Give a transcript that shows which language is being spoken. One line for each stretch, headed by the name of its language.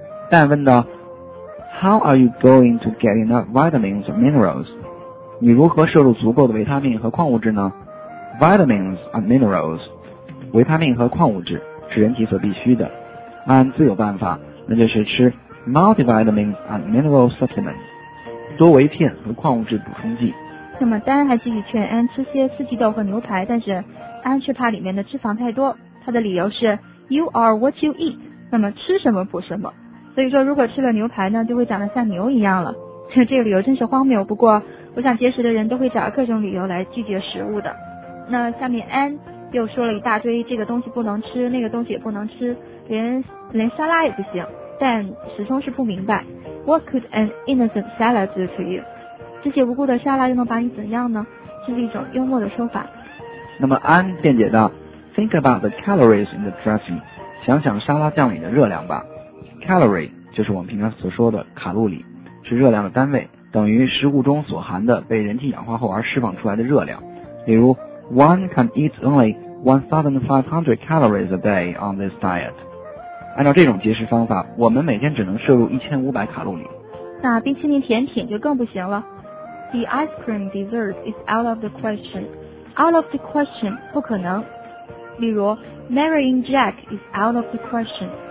English: Dan
Chinese: 问道
English: How are you going to get enough vitamins and minerals?
Chinese: 你如何摄入足够的维他命和矿物质呢？
English: Vitamins and minerals,
Chinese: 维他命和矿物质是人体所必须的。安自有办法，那就是吃
English: multivitamins and mineral supplements,
Chinese: 多维片和矿物质补充剂。那么丹还继续劝安吃些四季豆和牛排，但是安却怕里面的脂肪太多。他的理由是
English: You are what you eat,
Chinese: 那么吃什么补什么。所以说如果吃了牛排呢，就会长得像牛一样了。这个理由真是荒谬，不过我想节食的人都会找各种理由来拒绝食物的。那下面 Anne 又说了一大堆，这个东西不能吃，那个东西也不能吃，连沙拉也不行。但始终是不明白
English: What could an innocent salad do to you?
Chinese: 这些无辜的沙拉又能把你怎样呢？这是一种幽默的说法。那么 Anne 辩解道，
English: think about the calories in the dressing.
Chinese: 想想沙拉酱里的热量吧。Calorie 就是我们平常所说的卡路里，是热量的单位，等于食物中所含的被人体氧化后而释放出来的热量。例如
English: ,One can eat only 1500 calories a day on this diet.
Chinese: 按照这种节食方法，我们每天只能摄入1500卡路里。那冰淇淋甜品就更不行了。
English: The ice cream dessert is out of the question. Out of the question,
Chinese: 不可能。例如
English: ,Marrying Jack is out of the question.